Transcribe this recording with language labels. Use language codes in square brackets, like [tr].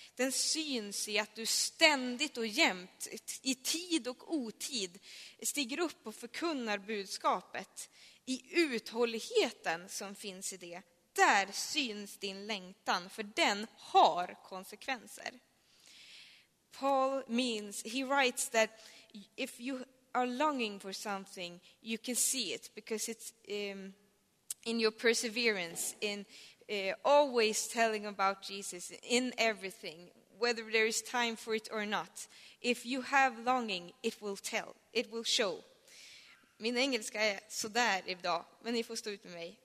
[sv] Den syns i att du ständigt och jämt, i tid och otid, stiger upp och förkunnar budskapet. I uthålligheten som finns i det, där syns din längtan, för den har konsekvenser. [en] Paul means, he writes that if you are longing for something, you can see it, because it's in your perseverance, in always telling about Jesus in everything, whether there is time for it or not. If you have longing, it will tell. It will show. [sv] Min engelska är sådär idag, men ni får stå ut med mig.